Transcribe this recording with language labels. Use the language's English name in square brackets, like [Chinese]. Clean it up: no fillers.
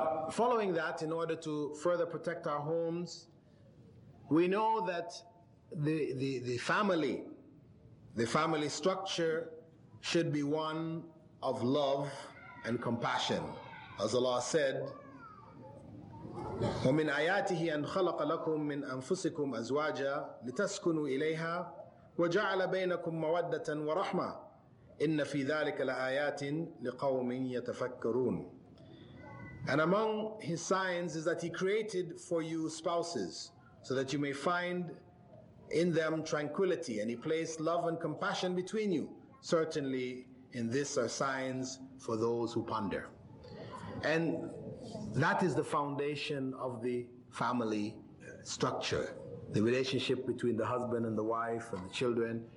[English] Following that, in order to further protect our homes, we know that the family structure should be one of love and compassion. As Allah said, [Arabic] وَمِنْ آيَاتِهِ أَنْ خَلَقَ لَكُمْ مِنْ أَنفُسِكُمْ أَزْوَاجًا لِتَسْكُنُوا إِلَيْهَا وَجَعَلَ بَيْنَكُمْ مَوَدَّةً وَرَحْمَةً إِنَّ فِي ذَلِكَ لَآيَاتٍ لِقَوْمٍ يَتَفَكَّرُونَ. [English] And among his signs is that he created for you spouses so that you may find in them tranquility, and he placed love and compassion between you. Certainly, in this are signs for those who ponder. And that is the foundation of the family structure, the relationship between the husband and the wife and the children.